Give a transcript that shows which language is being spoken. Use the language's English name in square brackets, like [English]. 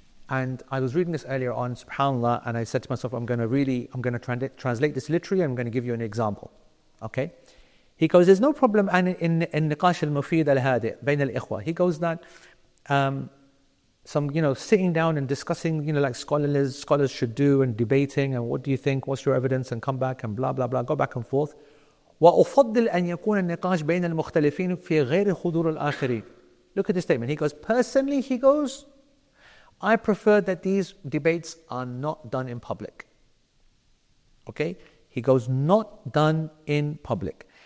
[English] And I was reading this earlier on, subhanAllah, and I said to myself, I'm going to translate this literally, and I'm going to give you an example. Okay? He goes, there's no problem in [Arabic] niqash al-mufid al-hadi' bayn al-ikhwa. [English] He goes that sitting down and discussing, you know, like scholars should do, and debating, and what do you think, what's your evidence, and come back, and blah, blah, blah, go back and forth. [Arabic] وأفضل أن يكون النقاش بين المختلفين في غير حضور الآخرين. [English] Look at this statement. He goes, personally, he goes, I prefer that these debates are not done in public. Okay? He goes, not done in public.